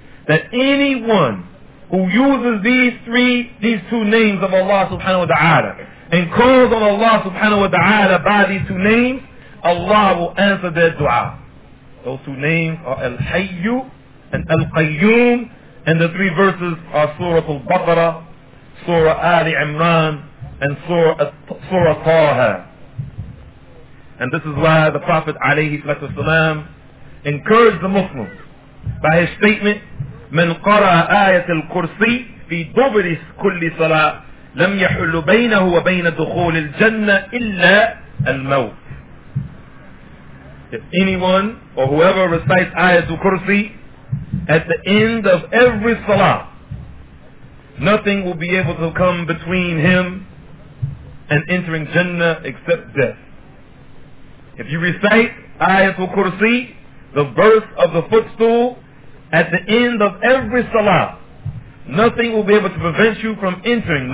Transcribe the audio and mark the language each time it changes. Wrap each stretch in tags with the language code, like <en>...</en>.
<en>That anyone who uses these two names of Allah subhanahu wa ta'ala and calls on Allah subhanahu wa ta'ala by these two names, Allah will answer their dua. Those two names are Al-Hayyu and Al-Qayyum, and the three verses are Surah Al-Baqarah, Surah Ali Imran, and Surah Taha. And this is why the Prophet alayhi salam encouraged the Muslims by his statement,</en> <ar>من قرأ آية الكرسي في دبر كل صلاة لم يحل بينه وبين دخول الجنة إلا الموت.</ar> <en>If anyone or whoever recites Ayat al-Kursi at the end of every salah, nothing will be able to come between him and entering Jannah except death. If you recite Ayat al-Kursi, the verse of the footstool, at the end of every salah, nothing will be able to prevent you from entering.</en>